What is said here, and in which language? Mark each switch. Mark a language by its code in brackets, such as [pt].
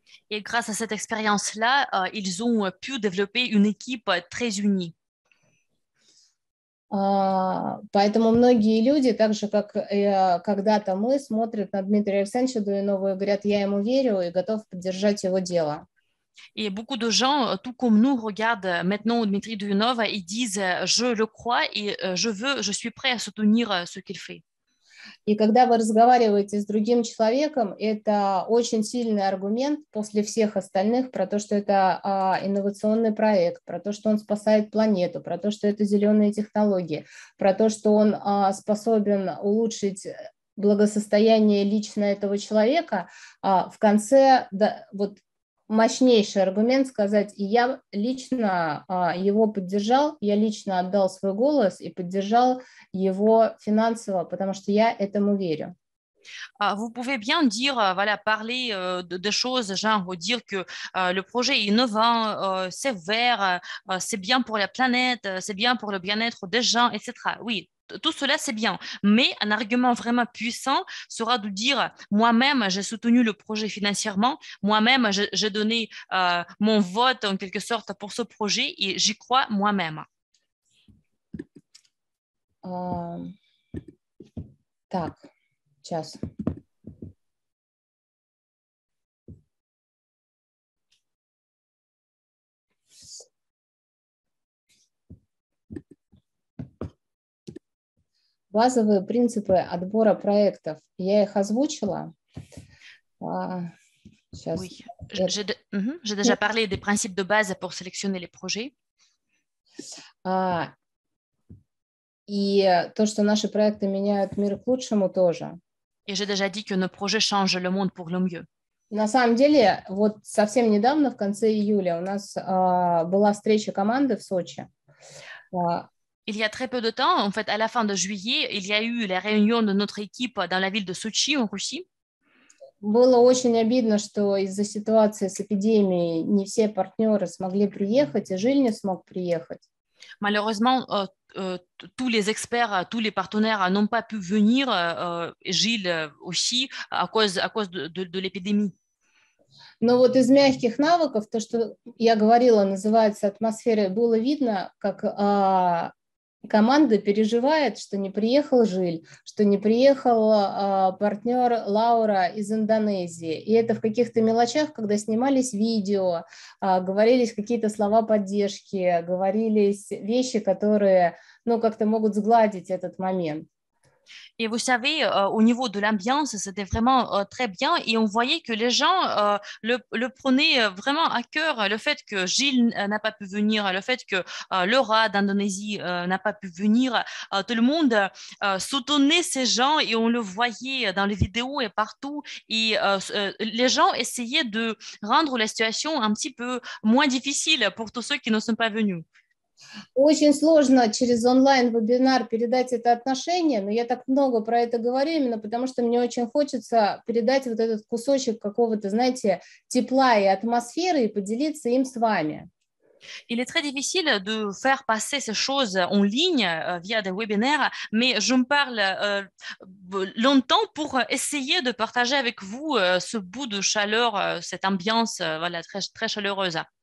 [fr] Et grâce à cette expérience-là, ils ont pu développer une équipe très unie. [ru] Поэтому многие люди, так же как когда-то мы, смотрят на Дмитрия Александровича Дуйнова и говорят, я ему верю и готов поддержать его дело. [fr] И beaucoup de gens, tout comme nous, regardent maintenant Дмитрий Дуйнова и disent, je le crois et je suis prêt à soutenir ce qu'il fait. [ru] И когда вы разговариваете с другим человеком, это очень сильный аргумент после всех остальных про то, что это инновационный проект, про то, что он спасает планету, про то, что это зеленые технологии, про то, что он способен улучшить благосостояние лично этого человека, в конце вот мощнейший аргумент сказать, и я лично его поддержал, я лично отдал свой голос и поддержал его финансово, потому что я этому верю. [fr] Vous pouvez bien dire, voilà, parler de choses, genre dire que le projet est innovant, c'est vert, c'est bien pour la planète, c'est bien pour le bien-être des gens, etc. Oui, tout cela c'est bien, mais un argument vraiment puissant sera de dire moi-même j'ai soutenu le projet financièrement, moi-même j'ai donné mon vote en quelque sorte pour ce projet et j'y crois moi-même. [ru] Так. Сейчас. Базовые принципы отбора проектов. Я их озвучила. Сейчас. Oui. [fr] J'ai déjà parlé des principes de base pour sélectionner les projets. [ru] И то, что наши проекты меняют мир к лучшему, тоже. [fr] Et j'ai déjà dit que nos projets changent le monde pour le mieux. [ru] На самом деле, вот совсем недавно, в конце июля, у нас была встреча команды в Сочи. [fr] Il y a très peu de temps, en fait, à la fin de juillet, il y a eu la réunion de notre équipe dans la ville de Sochi, en Russie. [ru] Было очень обидно, что из-за ситуации с эпидемией не все партнеры смогли приехать, и Жиль не смог приехать. [fr] Malheureusement, tous les experts, tous les partenaires n'ont pas pu venir, Gilles aussi, à cause de l'épidémie. [ru] Но вот из мягких навыков, то, что я говорила, называется атмосфера, было видно, как команда переживает, что не приехал Жиль, что не приехал партнер Лаура из Индонезии. И это в каких-то мелочах, когда снимались видео, говорились какие-то слова поддержки, говорились вещи, которые, ну, как-то могут сгладить этот момент. [fr] Et vous savez, au niveau de l'ambiance, c'était vraiment très bien. Et on voyait que les gens le prenaient vraiment à cœur. Le fait que Gilles n'a pas pu venir, le fait que Laura d'Indonésie n'a pas pu venir, tout le monde soutenait ces gens et on le voyait dans les vidéos et partout. Et les gens essayaient de rendre la situation un petit peu moins difficile pour tous ceux qui ne sont pas venus. [ru] Очень сложно через онлайн-вебинар передать это отношение, но я так много про это говорю, именно потому что мне очень хочется передать вот этот кусочек какого-то, знаете, тепла и атмосферы и поделиться им с вами. [fr] Il est très difficile de faire passer ces choses en ligne via des webinaires, mais je me parle longtemps pour essayer de partager avec vous ce bout de chaleur, cette ambiance voilà, très, très chaleureuse.